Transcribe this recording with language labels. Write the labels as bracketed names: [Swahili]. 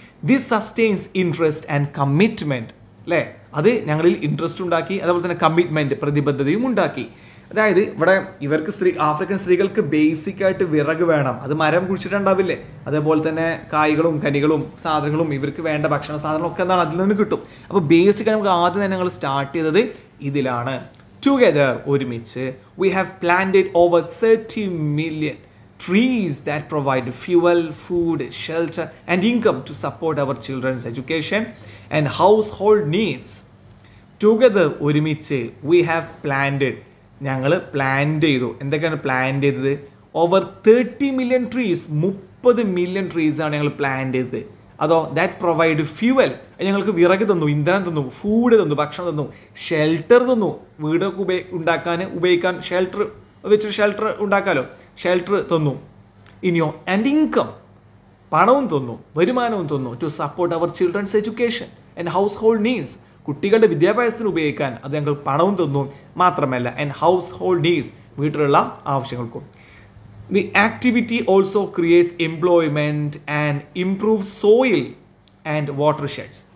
[English] this sustains interest and commitment [Malayalam] അല്ലേ, അത് ഞങ്ങളിൽ ഇൻട്രസ്റ്റ് ഉണ്ടാക്കി, അതുപോലെ തന്നെ കമ്മിറ്റ്മെൻറ്റ് പ്രതിബദ്ധതയും ഉണ്ടാക്കി. അതായത് ഇവിടെ ഇവർക്ക് സ്ത്രീ ആഫ്രിക്കൻ സ്ത്രീകൾക്ക് ബേസിക്കായിട്ട് വിറക് വേണം, അത് മരം കുഴിച്ചിട്ടുണ്ടാവില്ലേ, അതേപോലെ തന്നെ കായ്കളും കനികളും സാധനങ്ങളും ഇവർക്ക് വേണ്ട ഭക്ഷണ സാധനങ്ങളൊക്കെ എന്താണ് അതിൽ നിന്ന് കിട്ടും. അപ്പോൾ ബേസിക്കായി നമുക്ക് ആദ്യം തന്നെ ഞങ്ങൾ സ്റ്റാർട്ട് ചെയ്തത് ഇതിലാണ്. [English] together [Malayalam] ഒരുമിച്ച് [English] We have planted over 30 million trees that provide fuel, food, shelter and income to support our children's education and household needs. [Malayalam] Together orimiche [English] we have planted, [Malayalam] njangal plan cheyidu, endekana plan cheyidathu, [English] over 30 million trees, [Malayalam] 30 million trees aanu njangal plan cheyidathu. Adho [English] that provide fuel, [Malayalam] njangalku viragu thannu, indhanam thannu, food thannu, bhakshanam thannu, shelter thannu, veedukku undakkan ubayikkan shelter വെച്ചൊരു shelter ഉണ്ടാക്കാമല്ലോ, shelter തന്നു. ഇനിയോ and income, പണവും തന്നു, വരുമാനവും തന്നു, [English] to support our children's education and household needs, [Malayalam] കുട്ടികളുടെ വിദ്യാഭ്യാസത്തിന് ഉപയോഗിക്കാൻ അത് ഞങ്ങൾ പണവും തന്നു. മാത്രമല്ല [English] and household needs, [Malayalam] വീട്ടിലുള്ള ആവശ്യങ്ങൾക്കും. [English] The activity also creates employment and improve soil and watersheds.